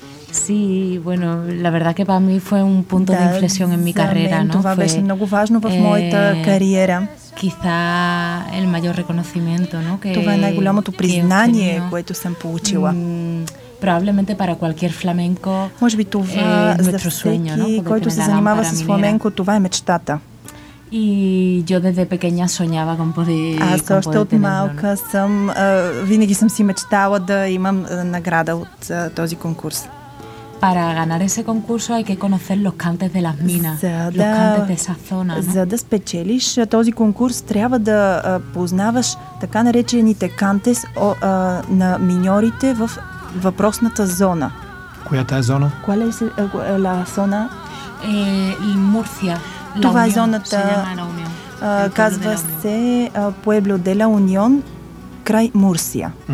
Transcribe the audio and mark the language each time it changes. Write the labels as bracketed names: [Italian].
[Spanish] Sí, bueno, la verdad que para mí fue un punto de inflexión en mi carrera, ¿no? [Bulgarian] Това беше много важно в моята кариера. [Spanish] Quizá el mayor reconocimiento, ¿no? [Bulgarian] Това е най-голямото признание, което съм получила. [Spanish] Probablemente para cualquier flamenco. [Bulgarian] Може би това за всеки, който се занимава с фламенко, това е мечтата. [Spanish] Y yo desde pequeña soñaba con poder tenerlo. [Bulgarian] Винаги съм си мечтала да имам награда от този конкурс. [Spanish] Para ganar ese concurso hay que conocer los cantes de las minas, los cantes de esa zona. [Bulgarian] За да спечелиш този конкурс, трябва да познаваш така наречените кантес на миньорите в въпросната зона. Коя е зона? [Spanish] ¿Cuál es la zona? [Bulgarian] И Мурция. Това е зоната, казва се Pueblo de la Unión, край Мурсия.